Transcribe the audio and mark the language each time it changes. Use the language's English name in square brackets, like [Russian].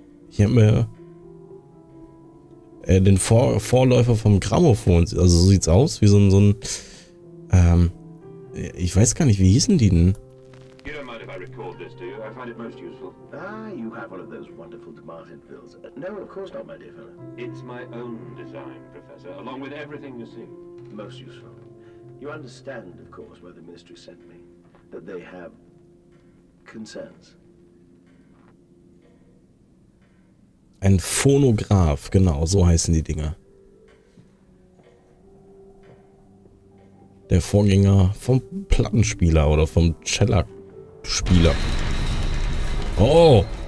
[German] Ich habe mir den Vorläufer vom Grammophon, also so sieht's aus, wie so ein ich weiß gar nicht, wie hießen die denn? [English] You don't mind if I record this, do you? I find it most useful. Ah, you have one of those wonderful Martin pills. No, of course not, my dear fellow. It's my own design, Professor, along with everything you see. Most useful. You understand, of course, where the Ministry sent me, that they have concerns. [German] Ein Phonograph, genau, so heißen die Dinger. Der Vorgänger vom Plattenspieler oder vom Cellospieler. Oh!